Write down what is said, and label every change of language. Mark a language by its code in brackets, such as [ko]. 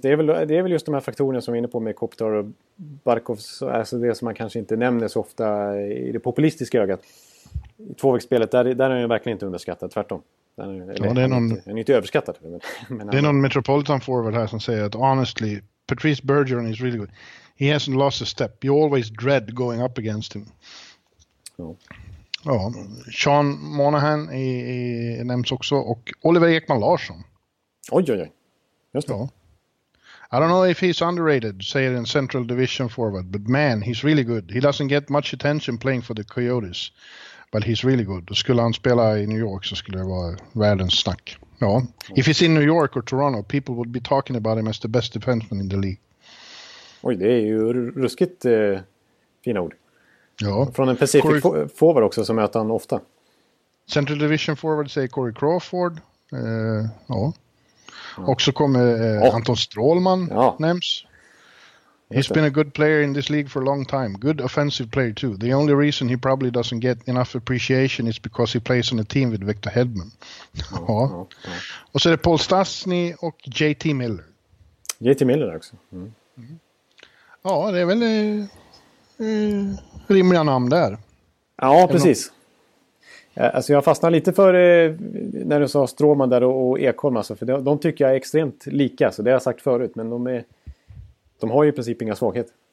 [sv] Det är väl just de här faktorerna som vi är inne på med Kopitar och Barkov, alltså det som man kanske inte nämner så ofta i det populistiska ögat. I tvåvägsspelet, där är han ju verkligen inte underskattad, tvärtom. Han är inte överskattad. Det är någon Metropolitan forward här som säger att [en] honestly, Patrice Bergeron is really good. He hasn't lost a step. You always dread going up against him. [sv] Ja. Ja, Sean Monahan nämns också, och Oliver Ekman Larsson. Oj. Just det. [en] Ja. I don't know if he's underrated, say in Central Division forward, but man, he's really good. He doesn't get much attention playing for the Coyotes, but he's really good. [sv] Skulle han spela i New York så skulle det vara världens snack. Ja. Mm. [en] If he's in New York or Toronto, people would be talking about him as the best defenseman in the league. [sv] Oj, det är ju ruskigt fina ord. Ja. Från en Pacific forward också som möter han ofta. Central Division forward säger Corey Crawford. Ja. Också kommer Anton Strålman nämns. [en] He's been a good player in this league for a long time. Good offensive player too. The only reason he probably doesn't get enough appreciation is because he plays on a team with Victor Hedman. [sv] Ja. Och så är det Paul Stastny och JT Miller. JT Miller också. Mm. Ja, det är väl... rimliga namn där. Ja, precis. Alltså jag fastnade lite för när du sa Stråman där och Ekholm, alltså, för de tycker jag är extremt lika, så det har jag sagt förut, men de har ju i princip inga svaghet.